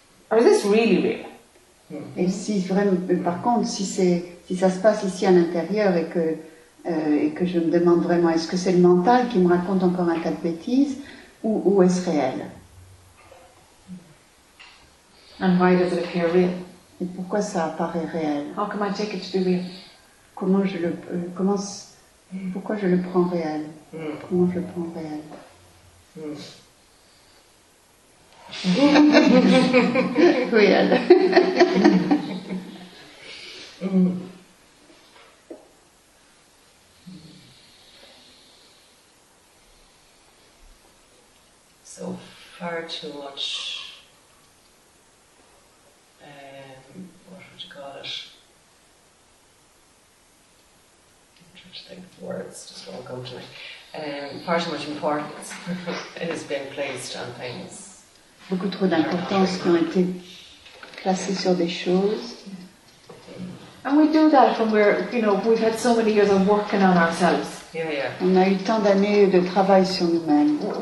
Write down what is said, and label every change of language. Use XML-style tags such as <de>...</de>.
<en>Or is this really real? Mm-hmm.</en> <fr>Et si vraiment, par contre, si ça se passe ici à l'intérieur et que je me demande vraiment, est-ce que c'est le mental qui me raconte encore un tas de bêtises? Où est-ce réel?</fr> <en>And why does it appear real?</en> <fr>Et pourquoi ça apparaît réel?</fr> <en>How can I take it to be real?</en> <fr>Pourquoi je le prends réel? Mm. Comment je le prends réel? Mm. Réel. Mm.</fr> <en>So far too much, what would you call it? I'm trying to think of the words, just won't come to me. Far too much importance has been placed on things.</en> <fr>Beaucoup trop d'importance qui ont été placées sur des choses.</fr> <en>And we do that from where, you know, we've had so many years of working on ourselves.</en> <fr>On a eu tant d'années de travail sur nous-mêmes.</fr>